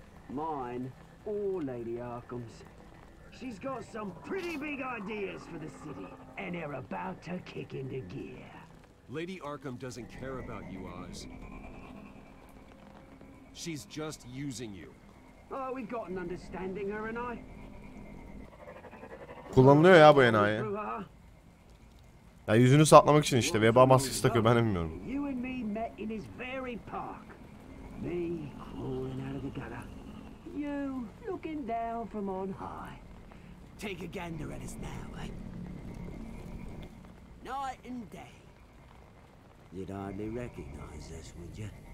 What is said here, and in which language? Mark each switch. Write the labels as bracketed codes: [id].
[en] Mine or Lady Arkham's. She's got some pretty big ideas for the city, and they're about to kick into gear. Lady Arkham doesn't care about you, Oz. She's just using you. Oh, we've got an understanding, her and I. [tr] Kullanılıyor ya bu enayi. Ya yüzünü saklamak için işte veba maskesi takıyor, ben bilmiyorum. [en] You and me met in his very park. Me crawling out of the gutter. You looking down from on high. Take a gander at us now, eh? Night and day. You'd hardly recognize us, would you?